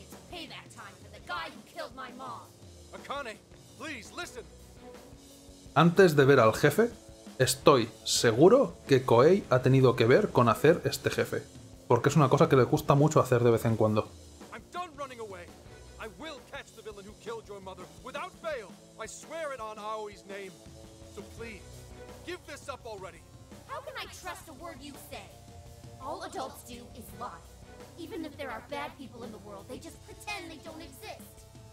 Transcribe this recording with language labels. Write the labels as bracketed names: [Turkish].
[English] Pay that time for the guy who killed my mom. Akane, please listen. [Spanish] Antes de ver al jefe, estoy seguro que Koei ha tenido que ver con hacer este jefe. Porque es una cosa que le gusta mucho hacer de vez en cuando. [English] I'm done running away. I will catch the villain who killed your mother without fail. I swear it on Aoi's name. So please, give this up already. How can I trust a word you say? All adults do is lie. Even if there are bad people in the world, they just pretend they don't exist.